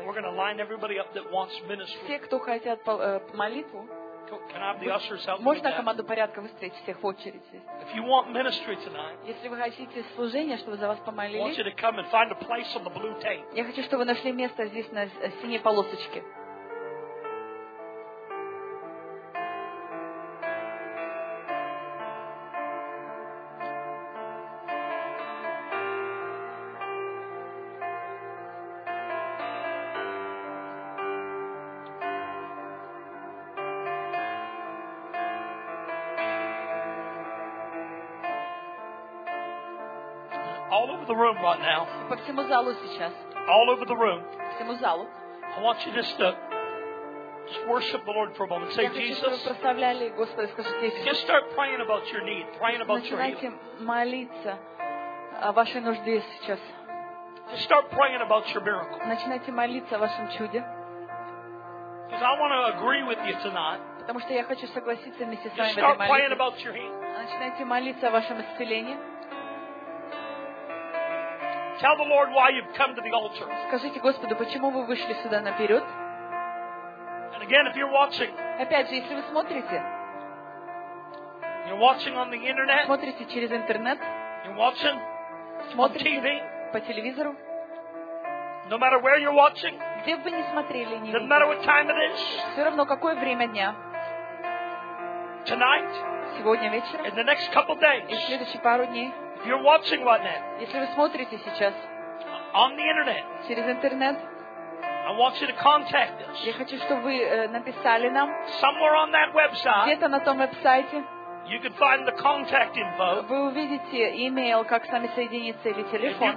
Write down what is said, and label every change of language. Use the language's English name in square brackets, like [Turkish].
[English] We're going to line everybody up that wants ministry. [Russian] Все, кто хотят молитву. [English] Can I have the ushers help? [Russian] Можно команду порядка выстроить всех в очередь здесь. [English] If you want ministry tonight. [Russian] Если вы хотите служение, чтобы за вас помолились. [English] I want you to come and find a place on the blue tape. [Russian] Я хочу, чтобы вы нашли место здесь на синей полосочке. По всему залу сейчас. [English] All over the room. [Russian] По всему залу. [English] I want you just worship the Lord for a moment. Say Jesus. [Russian] Прославляли Господа, скажите. [English] Just start praying about your need, praying about your healing. [Russian] Начинайте молиться о вашей нужде сейчас. [English] Just start praying about your miracle. [Russian] Начинайте молиться о вашем чуде. [English] Because I want to agree with you tonight. [Russian] Потому что я хочу согласиться вместе с вами в этой молитве. [English] Start praying about your healing. [Russian] Начинайте молиться о вашем исцелении. [English] Tell the Lord why you've come to the altar. [Russian] Скажите Господу, почему вы вышли сюда наперед? [English] And again, if you're watching. [Russian] Опять же, если вы смотрите. [English] You're watching on the internet. [Russian] Смотрите через интернет. [English] You're watching. [Russian] Смотрите [English] on TV. [Russian] По телевизору. [English] No matter where you're watching. [Russian] Где бы вы ни смотрели, ни. [English] Doesn't matter what time it is. [Russian] Все равно какое время дня. [English] Tonight. [Russian] Сегодня вечером. [English] In the next couple days. [Russian] И в следующие пару дней. [English] If you're watching right now, on the internet, [Russian] через интернет, [English] I want you to contact us. [Russian] Я хочу, чтобы вы написали нам. [English] Somewhere on that website, [Russian] где-то на том веб-сайте, [English] you can find the contact info. [Russian] Вы увидите email, как с нами соединиться или телефон.